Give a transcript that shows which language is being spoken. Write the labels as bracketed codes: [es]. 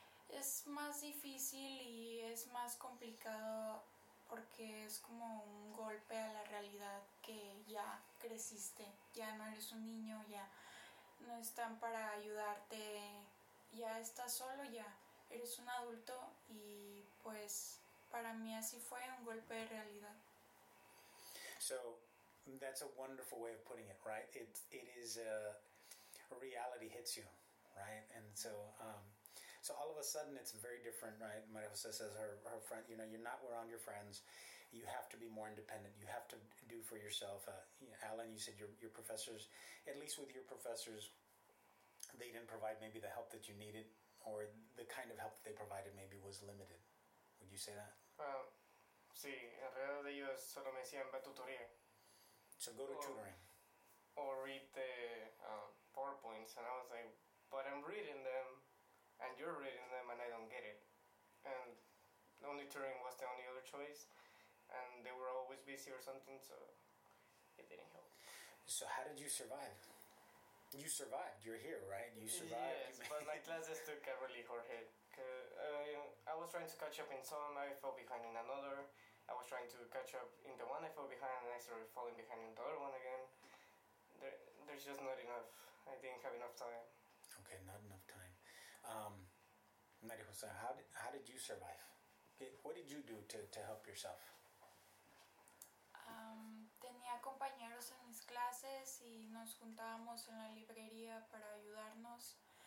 [es] Es más difícil y es más complicado porque es como un golpe a la realidad que ya creciste, ya no eres un niño, ya no están para ayudarte, ya estás solo, ya. Eres un adulto y pues para mí así fue un golpe de realidad. [en] So that's a wonderful way of putting it, right? It is a reality hits you, right? And so so all of a sudden it's very different, right? My sister says her friend, you know, you're not around your friends. You have to be more independent. You have to do for yourself. Alan, you said your professors, at least with your professors, they didn't provide maybe the help that you needed. Or the kind of help that they provided maybe was limited. Would you say that? Sí, en realidad ellos solo me decían, va a tutoría. So go to tutoring. Or read the PowerPoints. And I was like, but I'm reading them, and you're reading them, and I don't get it. And the only tutoring was the only other choice, and they were always busy or something, so it didn't help. So how did you survive? You survived. You're here, right? You survived. Yes, but my classes took a really hard hit. I was trying to catch up in some, I fell behind in another. I was trying to catch up in the one I fell behind, and I started falling behind in the other one again. There's just not enough. I didn't have enough time. Okay, not enough time. Mari Jose, how did you survive? Okay, what did you do to help yourself? [es] Tenía compañeros en mis clases y nos juntábamos en la librería para ayudarnos.